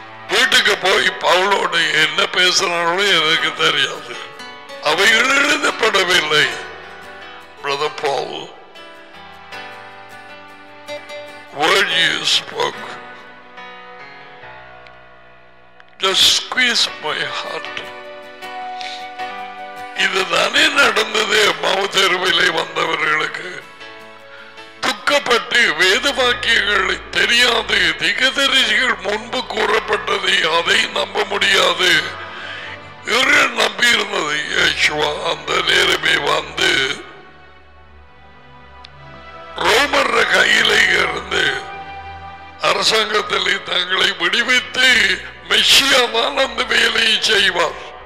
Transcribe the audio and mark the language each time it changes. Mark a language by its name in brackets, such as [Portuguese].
[Tamil] வீட்டுக்கு போய் பவுலோடு என்ன பேசுறாங்களோ எனக்கு தெரியாது. அவை எழுதப்படவில்லை. [English] Brother Paul, word you spoke just squeeze my heart. [Tamil] இதுதானே நடந்தது மவுதெருவிலே வந்தவர்களுக்கு. துக்கப்பட்டு வேத வாக்கியங்கள் தெரியாது, திகதரிசிகள் முன்பு கூறப்பட்டதை அதை நம்ப முடியாது. இவர்கள் நம்பியிருந்தது யேசுவா அந்த நேரமே வந்து ரோமர் கையிலே இருந்து அரசாங்கத்தில் தங்களை விடுவித்து மெஷியாவால் அந்த வேலையை செய்வார்.